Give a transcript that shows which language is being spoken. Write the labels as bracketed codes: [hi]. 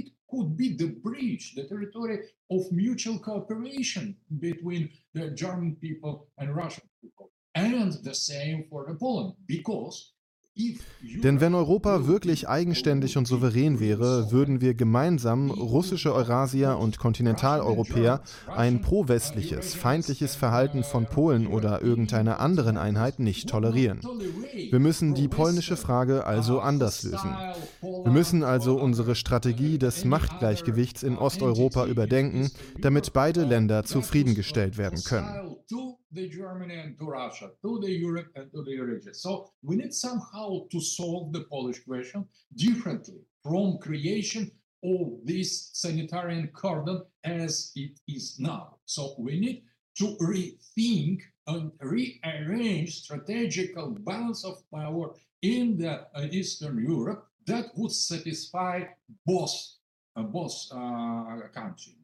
[en] Could be the bridge, the territory of mutual cooperation between the German people and Russian people. And the same for the Poland, because [de] Denn wenn Europa wirklich eigenständig und souverän wäre, würden wir gemeinsam, russische Eurasier und Kontinentaleuropäer, ein prowestliches, feindliches Verhalten von Polen oder irgendeiner anderen Einheit nicht tolerieren. Wir müssen die polnische Frage also anders lösen. Wir müssen also unsere Strategie des Machtgleichgewichts in Osteuropa überdenken, damit beide Länder zufriedengestellt werden können. [en] To Germany and to Russia, to the Europe and to the region. So we need somehow to solve the Polish question differently from creation of this sanitarian cordon as it is now. So we need to rethink and rearrange strategical balance of power in the Eastern Europe that would satisfy both countries.